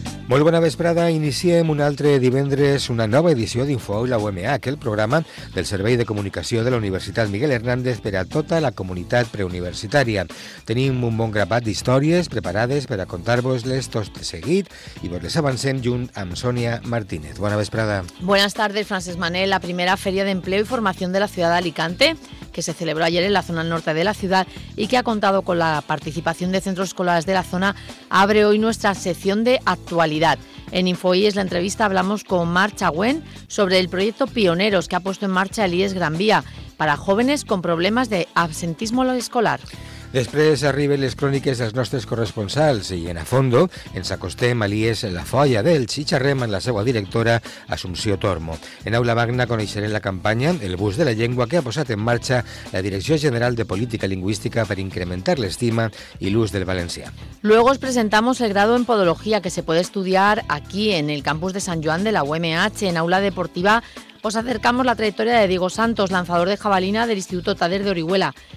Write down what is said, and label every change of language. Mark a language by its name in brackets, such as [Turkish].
[Catalan] Molt bona vesprada, iniciem un altre divendres una nova edició d'InfoAula UMH, el programa del Servei de Comunicació de la Universitat Miguel Hernández per a tota la comunitat preuniversitària. Tenim un bon grapat d'històries preparades per a contar-vos-les tot de seguit i vos les avancem junt amb Sònia Martínez. Bona vesprada. [Spanish] Buenas tardes, Francesc Manel. La primera Feria de Empleo y Formación de la Ciudad de Alicante, que se celebró ayer en la zona norte de la ciudad y que ha contado con la participación de centros escolares de la zona, abre hoy nuestra sección de actualidad. En InfoIES, la entrevista, hablamos con Mar Chagüén sobre el proyecto Pioneros que ha puesto en marcha el IES Gran Vía para jóvenes con problemas de absentismo escolar. [Catalan] Després arriben les cròniques dels nostres corresponsals i en a fondo ens acostem a l'IES La Folla d'Elx i xerrem amb la seva directora Assumpció Tormo. En Aula Magna coneixerem la campanya El Bus de la Llengua que ha posat en marxa la Direcció General de Política Lingüística per incrementar l'estima i l'ús del valencià. [Spanish] Luego os presentamos el grado en Podología que se puede estudiar aquí en el campus de Sant Joan de la UMH en Aula Deportiva. Os acercamos la trayectoria de Diego Santos, lanzador de jabalina del Instituto Tader de Orihuela.